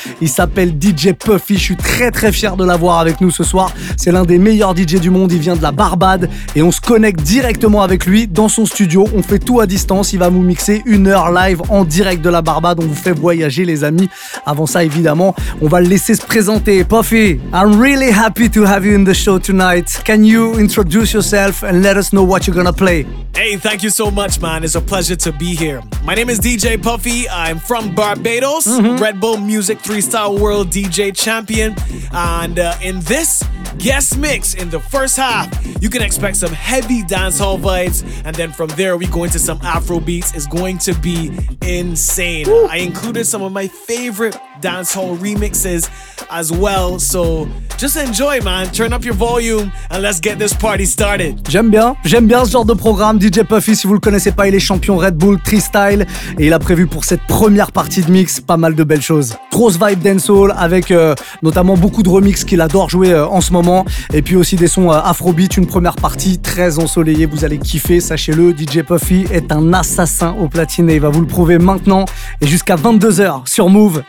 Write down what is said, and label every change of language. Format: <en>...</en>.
<fr>Il s'appelle DJ Puffy. Je suis très très fier de l'avoir avec nous ce soir. C'est l'un des meilleurs DJ du monde. Il vient de la Barbade et on se connecte directement avec lui dans son studio. On fait tout à distance. Il va vous mixer une heure live en direct de la Barbade. On vous fait voyager, les amis. Avant ça, évidemment, on va le laisser se présenter.</fr> <en>Puffy, I'm really happy to have you in the show tonight. Can you introduce yourself and let us know what you're gonna play? Hey, thank you so much, man. It's a pleasure to be here. My name is DJ Puffy. I'm from Barbados, Red Bull Music Freestyle World DJ Champion. And in this guest mix, in the first half, you can expect some heavy dancehall vibes. And then from there, we go into some Afrobeats. It's going to be insane. Woo. I included some of my favorite dancehall remixes as well. So just enjoy, man. Turn up your volume and let's get this party started.</en> <fr>J'aime bien ce genre de programme. DJ Puffy, si vous le connaissez pas, il est champion Red Bull Freestyle et il a prévu pour cette première partie de mix pas mal de belles choses. Grosse vibe dancehall avec notamment beaucoup de remix qu'il adore jouer en ce moment et puis aussi des sons afrobeat, une première partie très ensoleillée. Vous allez kiffer, sachez-le, DJ Puffy est un assassin au platine et il va vous le prouver maintenant et jusqu'à 22h sur Mouv.</fr>